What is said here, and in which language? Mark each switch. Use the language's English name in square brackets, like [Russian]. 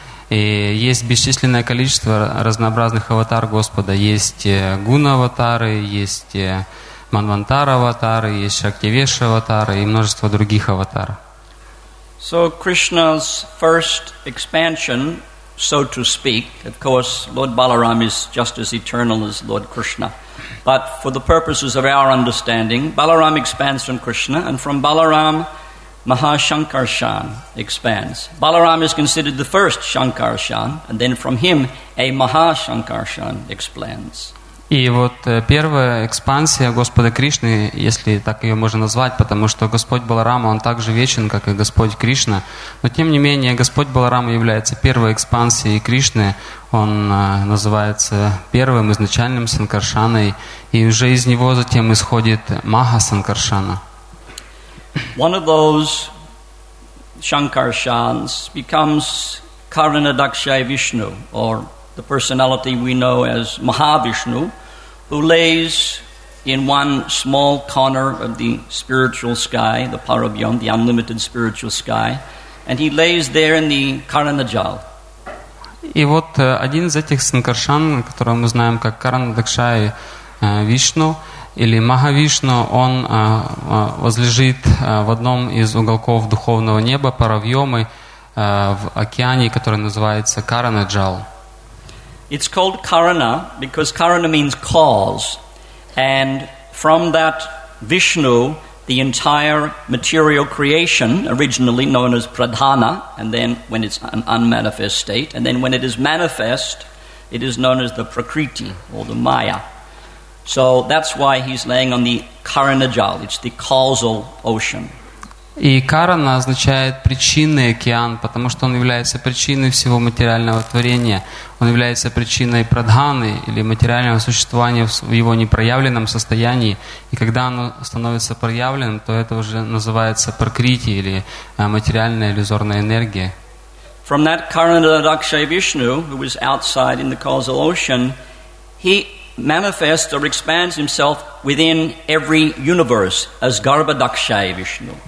[Russian] И есть бесчисленное количество разнообразных аватар Господа. Есть гуна-аватары, есть Манвантара аватары, есть Шактивеша аватары и множество других аватаров. [English] So Krishna's first expansion, so to speak, of course, Lord Balaram is just as eternal as Lord Krishna. But for the purposes of our understanding, Balaram expands from Krishna, and from Balaram, Mahashankarshan expands. Balaram is considered the first Shankarshan, and then from him, a Mahashankarshan expands. [Russian] И вот первая экспансия Господа Кришны, если так ее можно назвать, потому что Господь Баларама, Он также вечен, как и Господь Кришна. Но тем не менее, Господь Баларама является первой экспансией Кришны. Он называется первым изначальным Санкаршаной. И уже из него затем исходит Маха Санкаршана. [English] One of those Shankarshans becomes Karanadakshaya Vishnu, or the personality we know as Mahavishnu, who lays in one small corner of the spiritual sky, the Parabhyam, the unlimited spiritual sky, and he lays there in the Karanajal. [Russian] И вот один из этих санкаршан, которого мы знаем как Каранадакшая Вишну или Махавишну, он возлежит в одном из уголков духовного неба Парабхьямы в океане, который называется Каранаджал. [English] It's called Karana because Karana means cause, and from that Vishnu, the entire material creation, originally known as Pradhana, and then when it's an unmanifest state, and then when it is manifest, it is known as the Prakriti or the Maya. So that's why he's laying on the Karanajal. It's the causal ocean. [Russian] И Карана означает причинный океан, потому что он является причиной всего материального творения. Он является причиной Прадханы, или материального существования в его непроявленном состоянии. И когда оно становится проявленным, то это уже называется Пракрити, или материальная иллюзорная энергия. [English] From that Karanadakshaya Vishnu, who is outside in the causal ocean, he manifests or expands himself within every universe as Garbhadakshaya Vishnu.